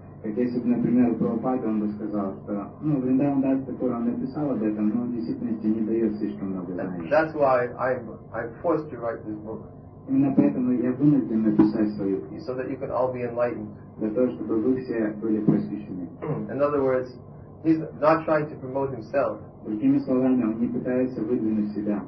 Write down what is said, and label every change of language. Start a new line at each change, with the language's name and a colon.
Russian: Как если бы, например, Прабхупада, он бы сказал, что ну, Вриндаван Дас Такур, он написал об этом, но он в действительности не дает слишком много знаний.
English: That's why I forced you to write this book.
Russian: Именно поэтому я вынужден написать свою книгу.
English: So that you could all be enlightened.
Russian: Для того, чтобы вы все были просвещены.
English: In other words, he's not trying to promote himself.
Russian: Другими словами, он не пытается выдвинуть себя.